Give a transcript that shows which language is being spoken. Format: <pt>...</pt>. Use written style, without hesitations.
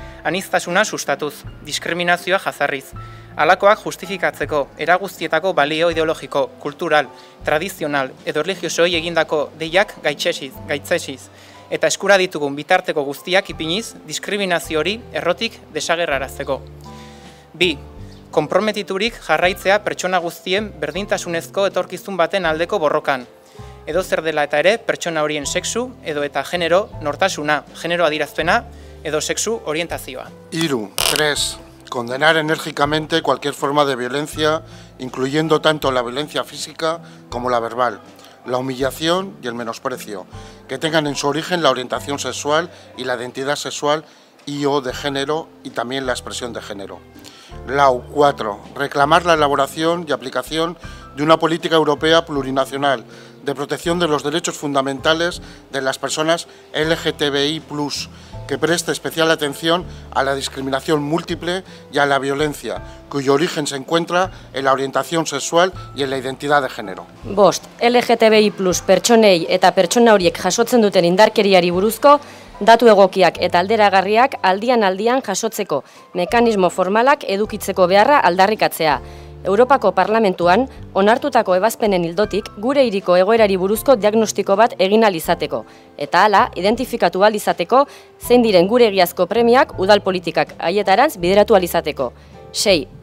<eu>Aniztasuna sustatuz, diskriminazioa jazarriz. Halakoak justifikatzeko, eraguztietako balio ideologiko, kultural, tradizional edo religiosoi egindako deiak gaitzesiz, eta eskura ditugun bitarteko guztiak ipiniz diskriminazio hori errotik desagerrarazteko. 2. Konprometiturik jarraitzea pertsona guztien berdintasunezko etorkizun baten aldeko borrokan. Edo zer dela eta ere pertsona horien sexu edo eta genero nortasuna, genero adierazpena edo sexu orientazioa. 3.</eu> <es>Condenar enérgicamente cualquier forma de violencia, incluyendo tanto la violencia física como la verbal, la humillación y el menosprecio, que tengan en su origen la orientación sexual y la identidad sexual y/o de género y también la expresión de género. 4. Reclamar la elaboración y aplicación de una política europea plurinacional de protección de los derechos fundamentales de las personas LGTBI+, que preste especial atención a la discriminación múltiple y a la violencia, cuyo origen se encuentra en la orientación sexual y en la identidad de género. 5.</es> <eu>LGTBI+, pertsonei eta pertsona horiek jasotzen duten indarkeriari buruzko, datu egokiak eta alderagarriak aldian-aldian jasotzeko, mekanismo formalak edukitzeko beharra aldarrikatzea. Europako Parlamentuan, onartutako ebazpenen ildotik gure hiriko egoerari buruzko diagnostiko bat egin alizateko, eta hala, identifikatu alizateko, zein diren gure egiazko premiak udal politikak haietarantz bideratu alizateko. 6.</eu>